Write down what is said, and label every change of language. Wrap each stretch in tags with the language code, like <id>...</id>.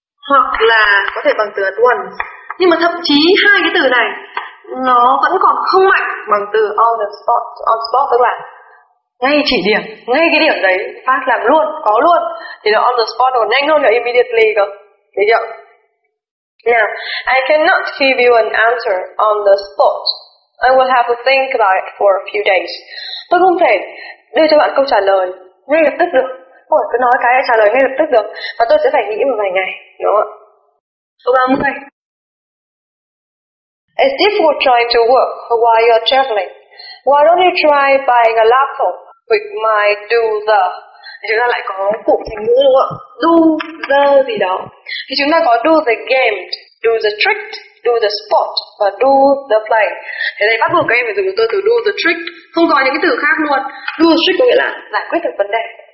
<vi>Hoặc là có thể bằng từ at once. Nhưng mà thậm chí hai cái từ này nó vẫn còn không mạnh bằng từ on the spot. On spot tức là ngay chỉ điểm, ngay cái điểm đấy phát làm luôn, có luôn, thì là on the spot còn nhanh hơn là immediately cơ. Được chưa?</vi> <en>Now, I cannot give you an answer on the spot. I will have to think about it for a few days.</en> <vi>Tôi không thể đưa cho bạn câu trả lời ngay lập tức được. Tôi cứ nói cái trả lời ngay lập tức được, và tôi sẽ phải nghĩ một vài ngày, đúng không? Câu 30.</vi> <en>As if you're trying to work while you're traveling, why don't you try buying a laptop with my do the?</en> <vi>Chúng ta lại có cụm thành ngữ đúng không? Do the gì đó. Thì chúng ta có do the game, do the trick, do the spot và do the play. Thế đây bắt buộc các em phải dùng tôi từ do the trick, không có những cái từ khác luôn. Do the trick có nghĩa là giải quyết được vấn đề.</vi>